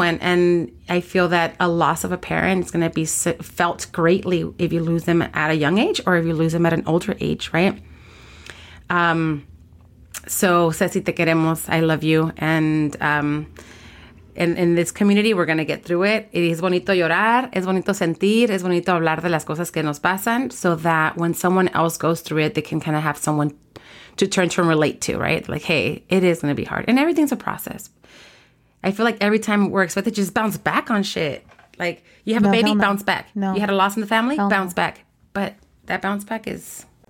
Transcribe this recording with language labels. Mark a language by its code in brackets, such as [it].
[en] And I feel that a loss of a parent is going to be felt greatly if you lose them at a young age or if you lose them at an older age, right? So, Ceci, [es] te queremos. [en] I love you. And in this community, we're going to get through it. It is [es] bonito llorar. Es bonito sentir. Es bonito hablar de las cosas que nos pasan. [en] So that when someone else goes through it, they can kind of have someone to turn to and relate to, right? Like, hey, it is going to be hard. And everything's a process. I feel like every time we're expected to just bounce back on shit. Like, you have bounce back. No. You had a loss in the family, bounce back. But that bounce back is...